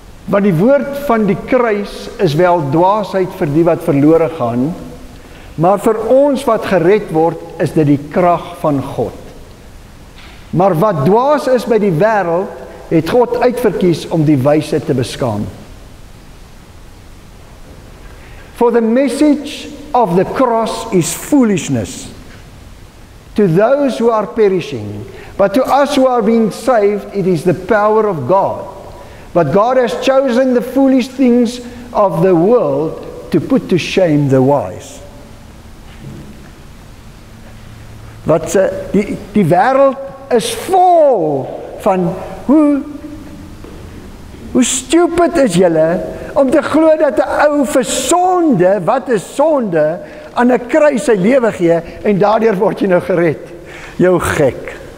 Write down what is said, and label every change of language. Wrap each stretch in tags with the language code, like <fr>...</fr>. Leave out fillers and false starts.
<af>Want die woord van die kruis is wel dwaasheid vir die wat verlore gaan, maar vir ons wat gered word, is dit die krag van God. Maar wat dwaas is by die wêreld, het God uitverkies om die wyse te beskaam.</af> <en>For the message of the cross is foolishness to those who are perishing, but to us who are being saved, it is the power of God. But God has chosen the foolish things of the world to put to shame the wise.</en> <af>Wat die wêreld is vol van hoe stupid is julle om te glo dat 'n ou vir sonde, wat is sonde, aan 'n kruis sy lewe gee en daardeur word jy nou gered. Jou gek.</af>